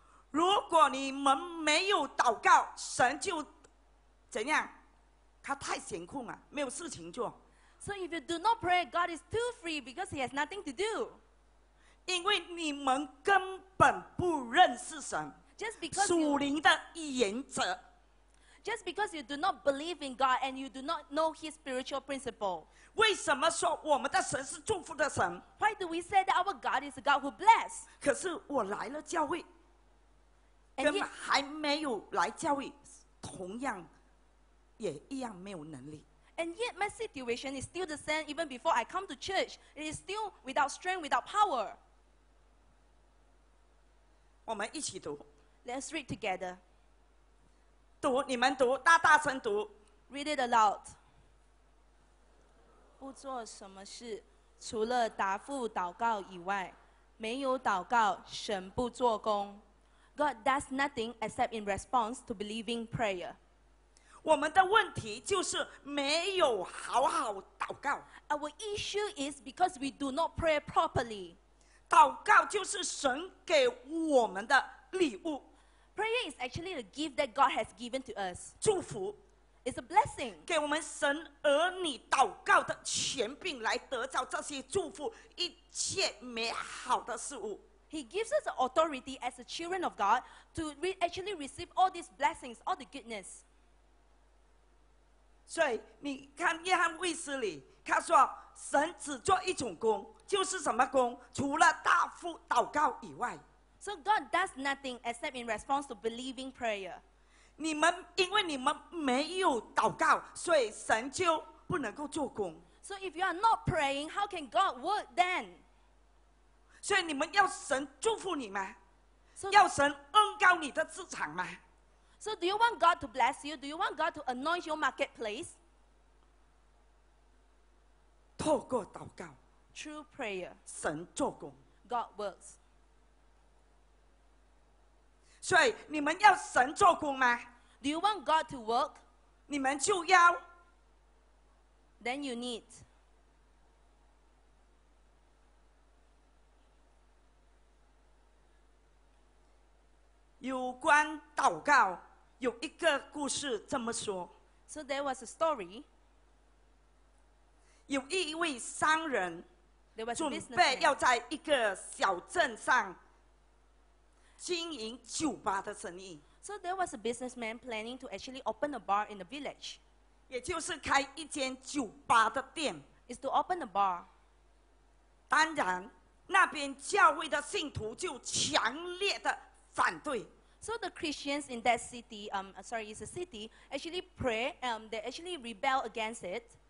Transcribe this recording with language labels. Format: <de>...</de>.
<zh>如果你们没有祷告，神就怎样？他太闲空了，没有事情做。</zh> <en>So if you do not pray, God is too free because he has nothing to do.</en> <zh>因为你们根本不认识神。</zh> <en>Just because</en> <zh>属灵的原则。</zh> <en>Just because you do not believe in God and you do not know his spiritual principle.</en> <zh>为什么说我们的神是祝福的神？</zh> <en>Why do we say that our God is a God who bless?</en> <zh>可是我来了教会，跟还没有来教会同样，也一样没有能力。</zh> <en>And yet my situation is still the same even before I come to church. It is still without strength, without power.</en> <zh>我们一起读。</zh> <en>Let's read together.</en> <zh>读，你们读，大大声读。</zh> <en>Read it aloud.</en> <zh>不做什么事，除了答复祷告以外，没有祷告，神不做工。</zh> <en>God does nothing except in response to believing prayer.</en> <zh>我们的问题就是没有好好祷告。</zh> <en>Our issue is because we do not pray properly.</en> <zh>祷告就是神给我们的礼物。</zh> <en>Prayer is actually a gift that God has given to us.</en> <zh>祝福。</zh> <en>It's a blessing.</en> <zh>给我们神儿女祷告的权柄来得到这些祝福，一切美好的事物。</zh> <en>He gives us the authority as the children of God to actually receive all these blessings, all the goodness.</en> <zh>所以你看约翰卫斯理，他说神只做一种工，就是什么工？除了答复祷告以外。</zh> <en>So God does nothing except in response to believing prayer.</en> <zh>你们因为你们没有祷告，所以神就不能够做工。</zh> <en>So if you are not praying, how can God work then?</en> <zh>所以你们要神祝福你吗？So, 要神恩膏你的职场吗？</zh> <en>So do you want God to bless you? Do you want God to anoint your marketplace?</en> <zh>透过祷告</zh> <en>True prayer</en> <zh>神做工</zh> <en>God works</en> <zh>所以你们要神做工吗？</zh> <en>Do you want God to work?</en> <zh>你们就要</zh> <en>Then you need</en> <zh>有关祷告有一个故事这么说。</zh> <en>So there was a story.</en> <zh>有一位商人</zh> <en>there was</en> <zh>准备要在一个小镇上经营酒吧的生意。</zh> <en>So there was a businessman planning to actually open a bar in the village.</en> <zh>也就是开一间酒吧的店。</zh> <en>Is to open a bar.</en> <zh>当然，那边教会的信徒就强烈的反对。</zh> <en>So the Christians in that city, it's a city, actually pray, they actually rebel against it.</en>